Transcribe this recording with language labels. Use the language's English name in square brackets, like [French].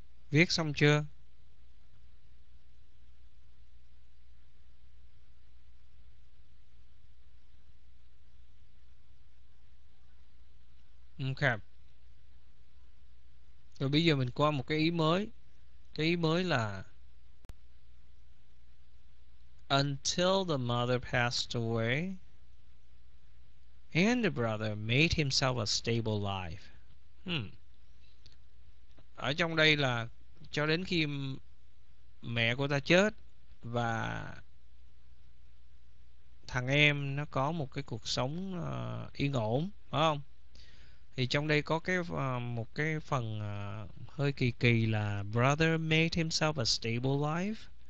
[Vietnamese] Viết xong chưa? [English] Ok. [Vietnamese] Rồi bây giờ mình qua một cái ý mới. Cái ý mới là [English] until the mother passed away and the brother made himself a stable life. [Vietnamese] Ở trong đây là cho đến khi mẹ của ta chết và thằng em nó có một cái cuộc sống yên ổn, phải không? Thì trong đây có cái một cái phần hơi kỳ kỳ là [English] brother made himself a stable life.